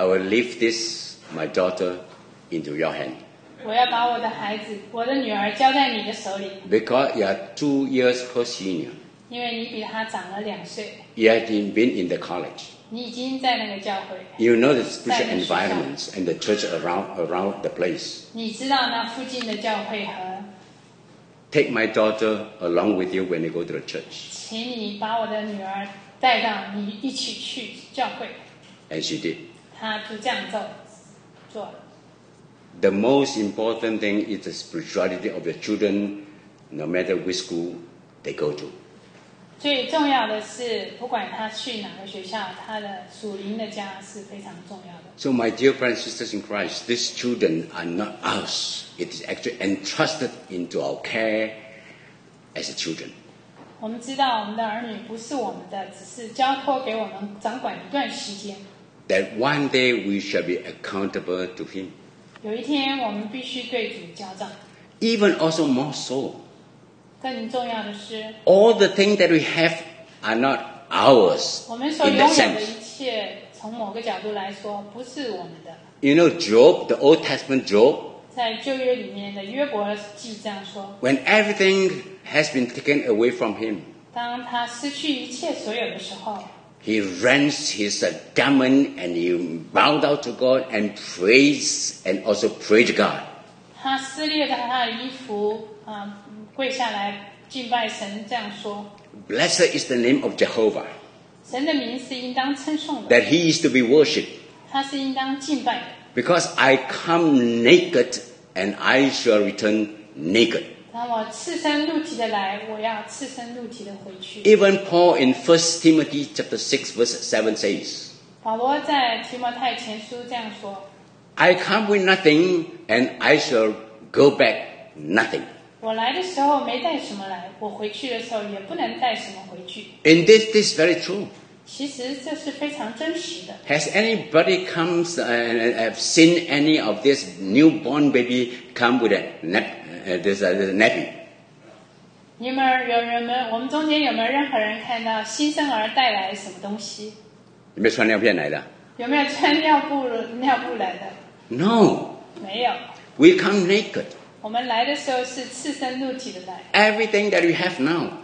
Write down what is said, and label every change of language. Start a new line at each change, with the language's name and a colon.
English: I will leave this my daughter into your hand.
Chinese: 我要把我的孩子，我的女儿交在你的手里。
English: Because you are 2 years her senior.
Chinese: 因为你比她长了两岁。
English: You have been in the college.
Chinese: 你已经在那个教会。
English: You know the spiritual environment and the church around the place.
Chinese: 你知道那附近的教会和。
English: Take my daughter along with you when you go to the church.
Chinese: 请你把我的女儿带到你一起去教会。
English: And she did.
Chinese: 她就这样做。
English: The most important thing is the spirituality of your children, no matter which school they go to.
Chinese: 最重要的是，不管他去哪个学校，他的属灵的家是非常重要的。
English: So, my dear friends, sisters in Christ, these children are not us. It is actually entrusted into our care as a children.
Chinese: 我们知道，我们的儿女不是我们的，只是交托给我们掌管一段时间。
English: That one day we shall be accountable to Him.
Chinese: 有一天，我们必须对主交账。
English: Even also more so.
Chinese: 更重要的是
English: All the things that we have are not ours.
Chinese: 我们所拥有的一切，从某个角度来说，不是我们的。
English: You know Job, the Old Testament Job.
Chinese: 在旧约里面的约伯记这样说。
English: When everything has been taken away from him.
Chinese: 当他失去一切所有的时候。
English: He rends his garment and he bowed down to God and praised and also prayed to God.
Chinese: 他撕裂了他的衣服，跪下来敬拜神，这样说。
English: Blessed is the name of Jehovah.
Chinese: 神的名是应当称颂的。
English: That he is to be worshipped.
Chinese: 他是应当敬拜的。
English: Because I come naked and I shall return naked.
Chinese: 当我赤身露体的来，我要赤身露体的回去。
English: Even Paul in 1 Timothy chapter 6 verse 7 says.
Chinese: 保罗在提摩太前书这样说。
English: I come with nothing and I shall go back nothing.
Chinese: 我来的时候没带什么来，我回去的时候也不能带什么回去。
English: And this is very true.
Chinese: 其实这是非常真实的。
English: Has anybody comes and have seen any of this newborn baby come with a nap, this nappy?
Chinese: 我们中间有没有任何人看到新生儿带来什么东西？有没有穿尿片来的？有没有穿尿布来的
English: ？No.
Chinese: 没有。
English: We come naked.
Chinese: 我们来的时候是赤身露体的来。
English: Everything that we have now.